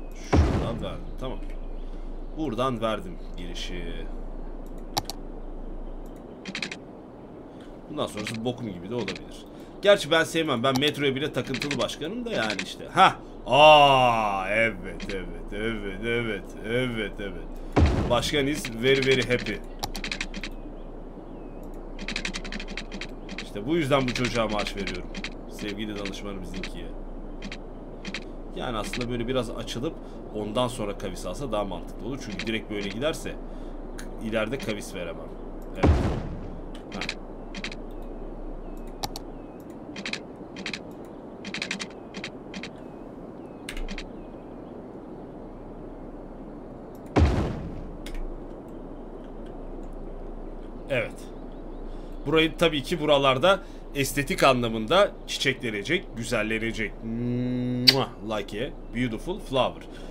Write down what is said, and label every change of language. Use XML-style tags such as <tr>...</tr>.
<tr>Şuradan verdim. Tamam. Buradan verdim girişi. Bundan sonrası bokum gibi de olabilir. Gerçi ben sevmem. Ben metroya bile takıntılı başkanım da yani işte. Ha. Aa evet evet evet evet evet evet.</tr> <en>Başkan is very very happy.</en> <tr>İşte bu yüzden bu çocuğa maaş veriyorum. Sevgili danışmanım Zinki'ye. Yani aslında böyle biraz açılıp ondan sonra kavis alsa daha mantıklı olur. Çünkü direkt böyle giderse ileride kavis veremem. Evet. Evet. Burayı tabii ki buralarda estetik anlamında çiçeklenecek, güzellenecek.</tr> <en>Mwah, like a beautiful flower.</en>